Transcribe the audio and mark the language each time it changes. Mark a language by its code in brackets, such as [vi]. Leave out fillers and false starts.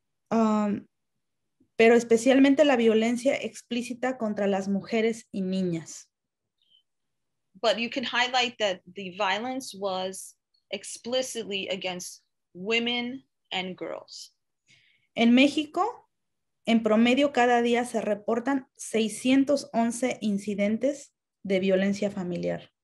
[es] Pero especialmente la violencia explícita contra las mujeres y niñas. [en] But you can highlight that the violence was explicitly against women and girls. [es] En México, en promedio cada día se reportan 611 incidentes de violencia familiar.